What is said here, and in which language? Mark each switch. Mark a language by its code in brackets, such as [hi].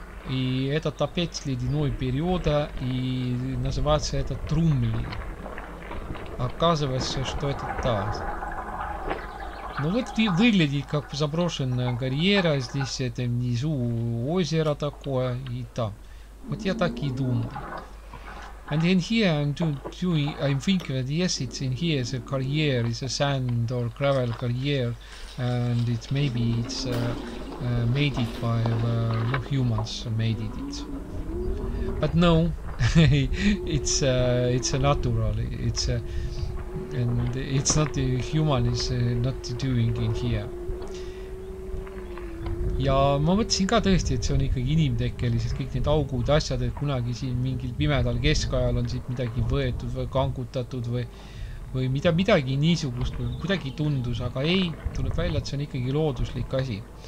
[ru] И этот опять ледяной период, и называется это Трумли. Оказывается, что это так. Ну вот выглядит как заброшенная карьера, здесь это внизу озеро такое и там. Вот я так и думал. [en] And then here I'm thinking that yes, it's in here is a carrier, it's a sand or gravel carrier, and it maybe it's made it by humans made it. But no, it's a natural. It's a and it's not the human is not doing in here. [et] Ja ma mõtlesin ka tõesti, et see on ikkagi inimtekkeliselt kõik need augud asjad, et kunagi siin mingil pimedal keskajal on siit midagi võetud või kangutatud või midagi niisugust või kuidagi tundus, aga ei, tuleb välja, et see on ikkagi looduslik asi.